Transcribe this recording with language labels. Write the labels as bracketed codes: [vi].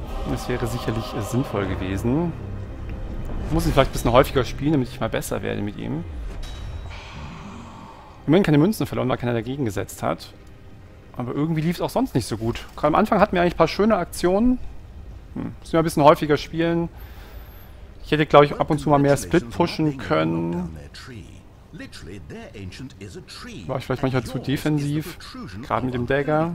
[de] Das wäre sicherlich sinnvoll gewesen. Ich muss ihn vielleicht ein bisschen häufiger spielen, damit ich mal besser werde mit ihm. Immerhin keine Münzen verloren, weil keiner dagegen gesetzt hat. Aber irgendwie lief es auch sonst nicht so gut. Gerade am Anfang hatten wir eigentlich ein paar schöne Aktionen. Müssen wir ein bisschen häufiger spielen. Ich hätte, glaube ich, ab und zu mal mehr Split pushen können. [en] Literally, their ancient is a tree. [de] War ich vielleicht manchmal zu defensiv, gerade mit dem Dagger.